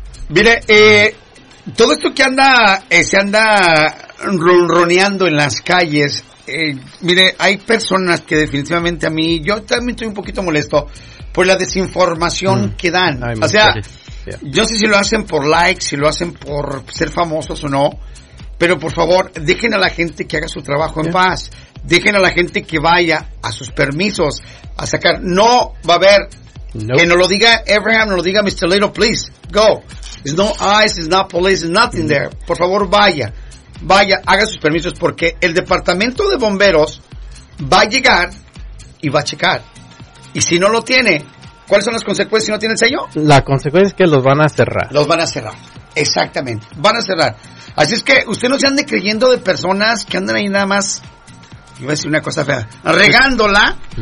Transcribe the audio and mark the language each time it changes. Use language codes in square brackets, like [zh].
[es] Mire, todo esto que anda, se anda ronroneando en las calles, mire, hay personas que definitivamente a mí, yo también estoy un poquito molesto por la desinformación que dan. Ay, o sea, yo sé si lo hacen por likes, si lo hacen por ser famosos o no, pero por favor, dejen a la gente que haga su trabajo en paz. Dejen a la gente que vaya a sus permisos a sacar. No va a haber que nos lo diga Abraham, nos lo diga Mr. [en] Little, please, go. It's not ICE, it's not police, it's nothing there. [es] Por favor, vaya. Vaya, haga sus permisos, porque el departamento de bomberos va a llegar y va a checar. Y si no lo tiene, ¿cuáles son las consecuencias si no tiene el sello? La consecuencia es que los van a cerrar. Los van a cerrar, exactamente. Van a cerrar. Así es que usted no se ande creyendo de personas que andan ahí nada más, iba a decir una cosa fea, regándola.